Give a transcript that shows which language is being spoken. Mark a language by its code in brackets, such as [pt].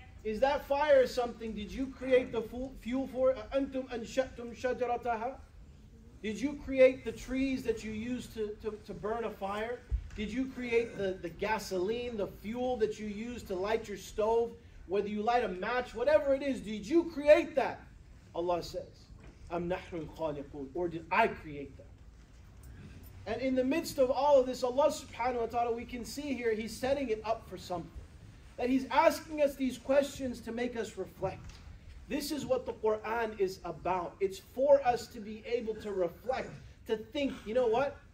[en] Is that fire something? Did you create the fuel for it? [ar] أَنْتُمْ أَنْشَأْتُمْ شَجَرَتَهَا. [en] Did you create the trees that you use to burn a fire? Did you create the gasoline, the fuel that you use to light your stove? Whether you light a match, whatever it is, did you create that? Allah says, [ar] أَمْ نَحْنُ الْخَالِقُونَ. [en] Or did I create that? And in the midst of all of this, Allah subhanahu wa ta'ala, we can see here, He's setting it up for something. That He's asking us these questions to make us reflect. This is what the Qur'an is about. It's for us to be able to reflect, to think, you know what?